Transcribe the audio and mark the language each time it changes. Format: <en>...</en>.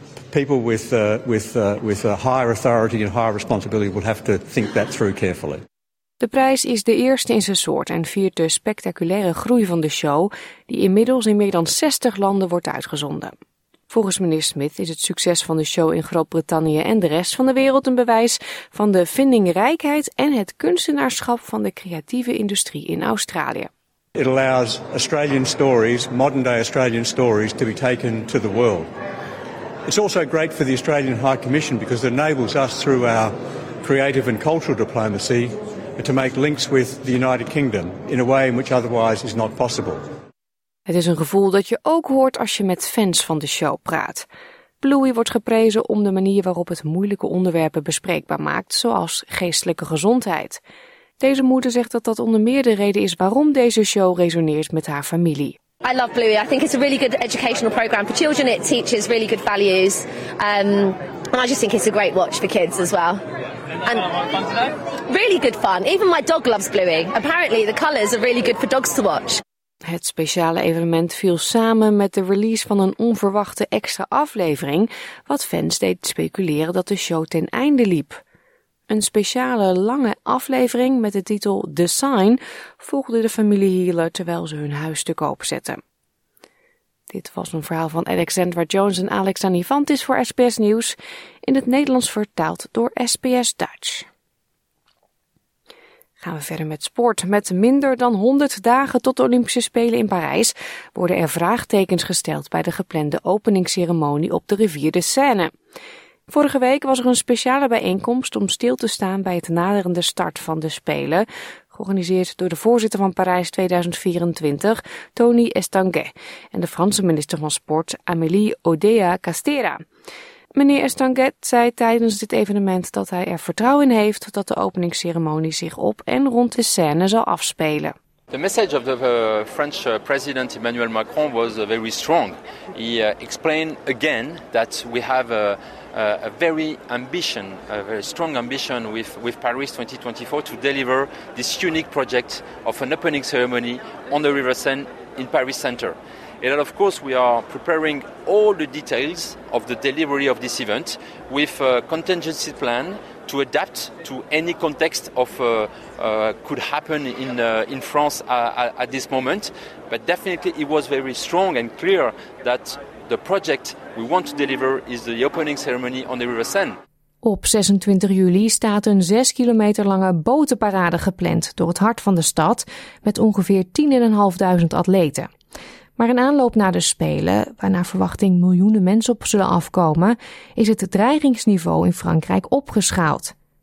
<en>People with a higher authority and higher responsibility will have to think that through carefully.</en> <nl>De prijs is de eerste in zijn soort en viert de spectaculaire groei van de show, die inmiddels in meer dan 60 landen wordt uitgezonden. Volgens meneer Smith is het succes van de show in Groot-Brittannië en de rest van de wereld een bewijs van de vindingrijkheid en het kunstenaarschap van de creatieve industrie in Australië.</nl> <en>It allows Australian stories, modern day Australian stories, to be taken to the world. It's also great for the Australian High Commission because it enables us through our creative and cultural diplomacy to make links with the United Kingdom in a way in which otherwise is not possible.</en> <nl>Het is een gevoel dat je ook hoort als je met fans van de show praat. Bluey wordt geprezen om de manier waarop het moeilijke onderwerpen bespreekbaar maakt, zoals geestelijke gezondheid. Deze moeder zegt dat dat onder meer de reden is waarom deze show resoneert met haar familie.</nl> <en>I love Bluey. I think it's a really good educational program for children. It teaches really good values. And I just think it's a great watch for kids as well. And really good fun. Even my dog loves Bluey. Apparently the colors are really good for dogs to watch.</en> <nl>Het speciale evenement viel samen met de release van een onverwachte extra aflevering, wat fans deed speculeren dat de show ten einde liep. Een speciale lange aflevering met de titel The Sign volgde de familie Healer terwijl ze hun huis te koop zetten. Dit was een verhaal van Alexandra Jones en Alex Anifantis voor SBS Nieuws, in het Nederlands vertaald door SBS Dutch. Gaan we verder met sport. Met minder dan 100 dagen tot de Olympische Spelen in Parijs worden er vraagtekens gesteld bij de geplande openingsceremonie op de rivier de Seine. Vorige week was er een speciale bijeenkomst om stil te staan bij het naderende start van de Spelen, georganiseerd door de voorzitter van Parijs 2024, Tony Estanguet, en de Franse minister van Sport, Amélie Oudéa-Castéra. Meneer Estanguet zei tijdens dit evenement dat hij er vertrouwen in heeft dat de openingsceremonie zich op en rond de Seine zal afspelen.</nl> <en>The message of the French president Emmanuel Macron was very strong. He explained again that we have a very ambition, a very strong ambition with Paris 2024 to deliver this unique project of an opening ceremony on the River Seine in Paris Center. And of course we are preparing all the details of the delivery of this event with a contingency plan, to adapt to any context of could happen in France at this moment. But definitely it was very strong and clear that the project we want to deliver is the opening ceremony on the River Seine.</en> <nl>Op 26 juli staat een 6 kilometer lange botenparade gepland door het hart van de stad met ongeveer 10.500 atleten. Maar in aanloop naar de Spelen, waar naar verwachting miljoenen mensen op zullen afkomen, is het dreigingsniveau in Frankrijk opgeschaald.</nl>